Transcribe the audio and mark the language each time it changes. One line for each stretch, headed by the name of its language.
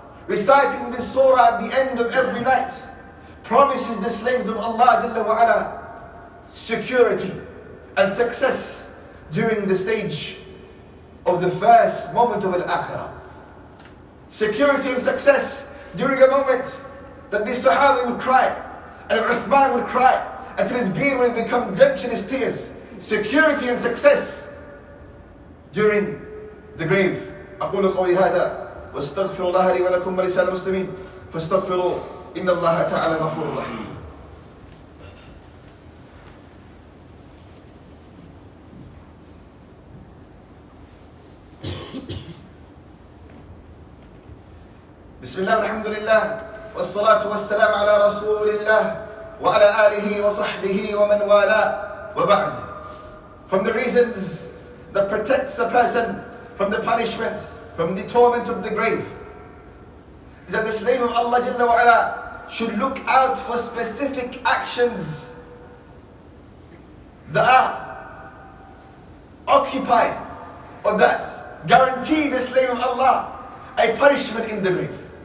English: Reciting this surah at the end of every night promises the slaves of Allah Jalla wa Ala security and success during the stage of the first moment of Al-Akhirah. Security and success during a moment that this Sahabi would cry and Uthman would cry until his beard would become drenched in his tears. Security and success during the grave.
Arabic: أقول قولي هذا واستغفر الله لي ولكم ولسائر المسلمين فاستغفروا إن الله تعالى غفور رحيم. بسم الله الحمد لله والصلاة والسلام على رسول الله وعلى آله وصحبه ومن والاه وبعد.
English: From the reasons that protects a person from the punishment, from the torment of the grave, is that the slave of Allah Jalla wa Ala should look out for specific actions that are occupied or that guarantee the slave of Allah a punishment in the grave.